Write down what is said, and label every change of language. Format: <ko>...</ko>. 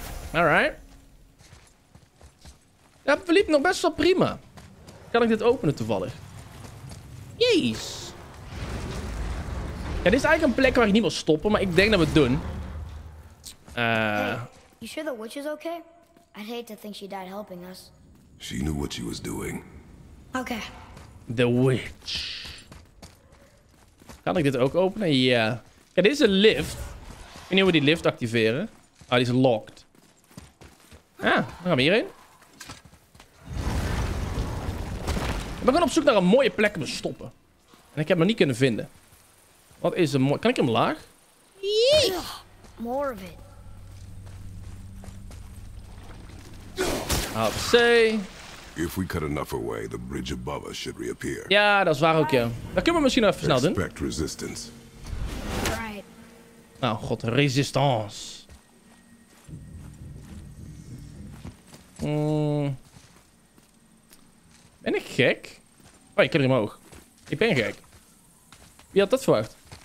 <en>Alright.</en> <nl>Ja, het verliep nog best wel prima. Kan ik dit openen toevallig? Jeez. Ja, dit is eigenlijk een plek waar ik niet wil stoppen, maar ik denk dat we het doen.</nl> <en>Hey, you sure the witch is okay? I'd hate to think she died helping us. She knew what she was doing. Okay. The witch.</en> <nl>Kan ik dit ook openen? Ja. Yeah. Kijk, dit is een lift. Ik weet niet hoe we die lift activeren. Ah, die is locked. Ja, dan gaan we hierheen. Ik ben gewoon op zoek naar een mooie plek om te stoppen. En ik heb hem niet kunnen vinden. Wat is er mooi? Kan ik hem laag?</nl> <en>More of it. Up C. If we cut enough away, the bridge above us should reappear.</en> <nl>Ja, dat is waar ook, ja. Dat kunnen we misschien even snel doen.</nl> <en>Expect resistance. Right.</en> <nl>Nou, god, resistance. Ben ik gek? Oh, ik kan er omhoog. Ik ben gek. Wie had dat verwacht?</nl>